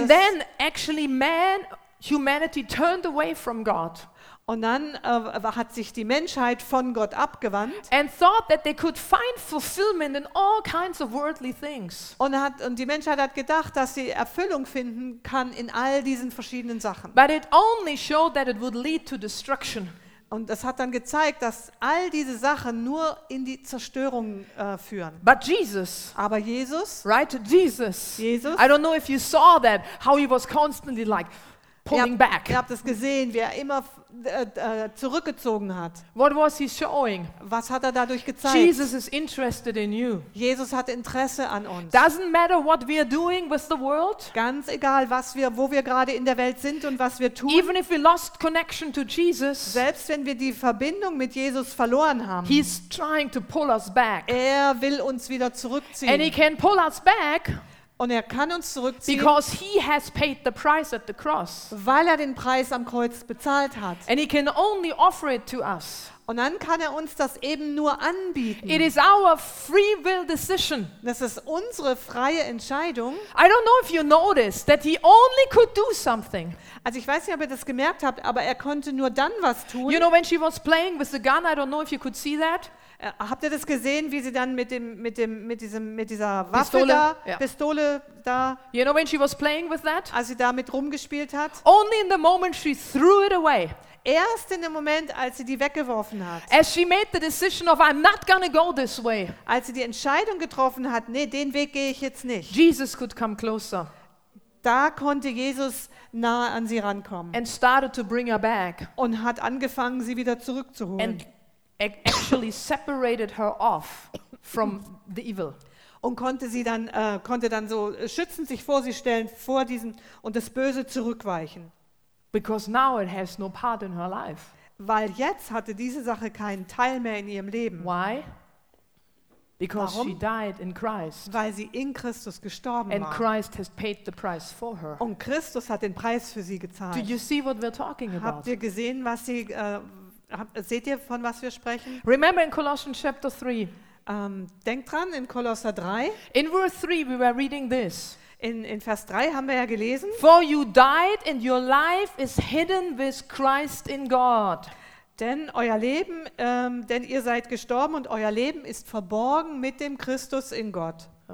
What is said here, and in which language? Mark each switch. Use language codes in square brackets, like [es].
[en] And then actually man, humanity turned away from God. [de] Und dann hat sich die Menschheit von Gott abgewandt. [en] And thought that they could find fulfillment in all kinds of worldly things. [de] Und die Menschheit hat gedacht, dass sie Erfüllung finden kann in all diesen verschiedenen Sachen. [en] But it only showed that it would lead to destruction. [de] Und es hat dann gezeigt, dass all diese Sachen nur in die Zerstörung führen. [en] But Jesus, [de] aber Jesus, [en] right? Jesus. [de] Jesus. [en] I don't know if you saw that, how he was constantly like pulling back. [de] Ihr habt es gesehen, wie er immer zurückgezogen hat. [en] What was he showing? [de] Was hat er dadurch gezeigt? [en] Jesus is interested in you. [de] Jesus hat Interesse an uns. [en] Doesn't matter what we are doing with the world. [de] Ganz egal, was wir, wo wir gerade in der Welt sind und was wir tun. [en] Even if we lost connection to Jesus. [de] Selbst wenn wir die Verbindung mit Jesus verloren haben. [en] He's trying to pull us back. [de] Er will uns wieder zurückziehen. [en] And he can pull us back. [de] Und er kann uns zurückziehen, [en] because he has paid the price at the cross. [de] Weil er den Preis am Kreuz bezahlt hat. [en] And he can only offer it to us. [de] Und dann kann er uns das eben nur anbieten. [en] It is our free will decision. [de] Das ist unsere freie Entscheidung. [en] I don't know if you noticed that he only could do something. [de] Also ich weiß nicht, ob ihr das gemerkt habt, aber er konnte nur dann was tun. [en] You know, when she was playing with the gun, I don't know if you could see that. [de] Habt ihr das gesehen, wie sie dann mit dieser Waffe Pistole, da, yeah. Pistole da, [en] you know, when she was playing with that? [de] Als sie damit rumgespielt hat? [en] Only in the moment she threw it away. [de] Erst in dem Moment, als sie die weggeworfen hat. [en] As she made the decision of I'm not gonna go this way. [de] Als sie die Entscheidung getroffen hat, nee, den Weg gehe ich jetzt nicht. [en] Jesus could come closer. [de] Da konnte Jesus nah an sie rankommen. [en] And started to bring her back. [de] Und hat angefangen, sie wieder zurückzuholen. [en] And actually separated her off from the evil. [de] Und konnte dann so schützend sich vor sie stellen, vor diesen und das Böse zurückweichen. [en] Because now it has no part in her life. [de] Weil jetzt hatte diese Sache keinen Teil mehr in ihrem Leben. [en] Why? Because [de] Warum? [en] She died in Christ. [de] Weil sie in Christus gestorben [en] and [de] war. [en] Christ has paid the price for her. [de] Und Christus hat den Preis für sie gezahlt. [en] Do you see what we're talking about? [de] Habt ihr gesehen, was sie seht ihr, von was wir sprechen? [en] Remember in Colossians chapter 3. [de] Denkt dran, in Kolosser 3. [en] In verse 3 we were reading this. [de] In Vers 3 haben wir ja gelesen. [en] For you died and your life is hidden with Christ in God. [de] Denn euer Leben, denn ihr seid gestorben und euer Leben ist verborgen mit dem Christus in Gott.